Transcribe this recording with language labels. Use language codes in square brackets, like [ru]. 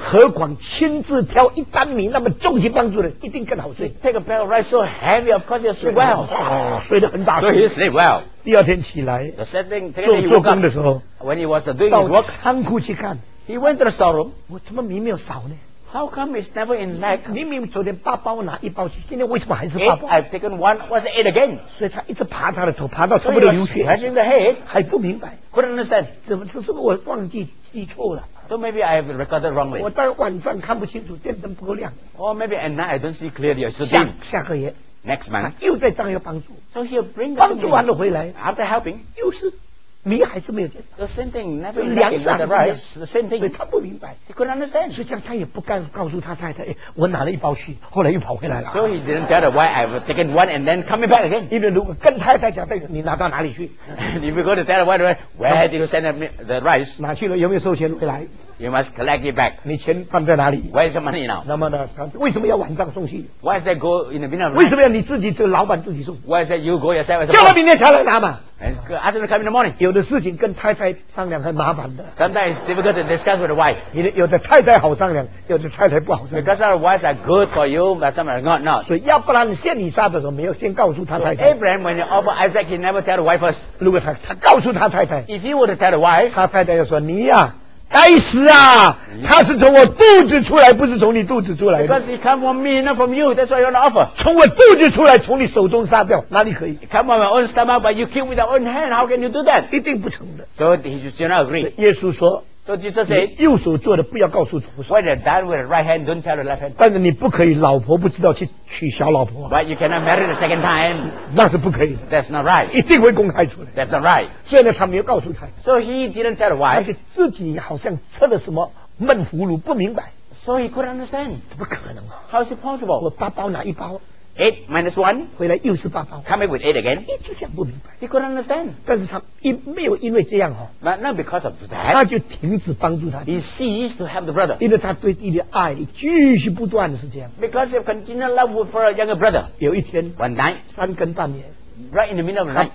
[zh] 何况亲自挑一担米那么重去帮助人一定更好睡。 [en] Take a bag of rice so heavy, of course you'll sleep well. [zh] 睡得很大睡。 [en] So he'll sleep well. [zh] 第二天起来。 [en] The same thing, [zh] 做工的时候。 [en] When he was doing his work. [zh] 到仓库去看。 [en] He went to the storeroom. [zh] 我怎么米没有少呢？ [en] How come it's never in lack? [zh] 明明昨天八包拿一包去，今天为什么还是八包 [en] I've taken one, what's it again? [zh] 所以他一直爬他的头，爬到什么都流血。 [en] Scratching the head, [zh] 还不明白。 [en] Couldn't understand. [zh] 怎么？这是我忘记记错了。 [en] So maybe I have recorded wrongly. [zh] 我当晚上看不清楚，电灯不够亮。 [en] Or maybe at night I don't see clearly. [zh] 下个月。 [en] Next month. [zh] 又在当要帮助。 [en] So he'll bring the [zh] 帮助完了回来。 [en] After helping. [zh] 又是。米还是没有减少 [en] The same thing never lacking in the rice The same thing [zh] 所以他不明白 [en] He couldn't understand [zh] 所以这样他也不敢告诉他太太、哎、我拿了一包去后来又跑回来了 [en] So he didn't tell her why I've taken one and then coming back again [zh] 因为如果跟太太讲你拿到哪里去 [en] If you go to tell her why Where did you send the rice [zh] 拿去了有没有收钱回来 [en] You must collect it back [zh] 你钱放在哪里 [en] Where is your money now [zh] 那么呢为什么要晚上送去 [en] Why is that go in the middle of [zh] 为什么要你自己这个老板自己送 [en] Why is that you go yourself [zh] 叫他明天下来拿嘛 [en] And ask him to come in the morning. [zh] 有的事情跟太太商量很麻烦的。 [en] Sometimes it's difficult to discuss with the wife. [zh] 有的太太好商量，有的太太不好商量。 [en] Because our wives are good for you, but some are not. [zh] 所以要不然献以撒的时候没有先告诉他太太。 [en] Abraham when he offered Isaac, he never tell the wife first. [zh] 如果他告诉他太太。 [en] If he were to tell the wife, [zh] 他太太又说你呀、啊。该死啊！他是从我肚子出来，不是从你肚子出来的。 [en] Because he come from me, not from you. That's why you're not offer. [zh] 从我肚子出来，从你手中杀掉，哪里可以 [en] it ？Come from my own stomach, but you kill with your own hand. How can you do that? [zh] 一定不成的。 [en] So he just did not agree. [zh] 耶稣说 [en] ，So Jesus said, [zh] 右手做的不要告诉左手。 [en] What you done with the right hand, don't tell the left hand. [zh] 但是你不可以，老婆不知道去娶小老婆。 [en] But you cannot marry the second time. [zh] 那是不可以的。 [en] That's not right. [zh] 一定会公开出来。 [en] That's not right. [zh] 所以呢，他没有告诉他。 [en] So he didn't tell the wife. [zh] 而且自己好像吃了什么闷葫芦，不明白。 [en] So he couldn't understand. [zh] 怎么可能啊 [en] ？How is it possible? [zh] 我八包拿一包。 [en] Eight minus one, [zh] 回来又是八包 [en] Coming with eight again, [zh] 一直想不明白 [en] He couldn't understand. [zh] 但是他没有因为这样哈 [en] But not because of that. [zh] 他就停止帮助他 [en] He ceased to help the brother. [zh] 因为他对弟弟爱继续不断的是这样 [en] Because of continual love for a younger brother. [zh] 有一天 [en] One night, [zh] 三更半夜 [en] Right in the middle of the night,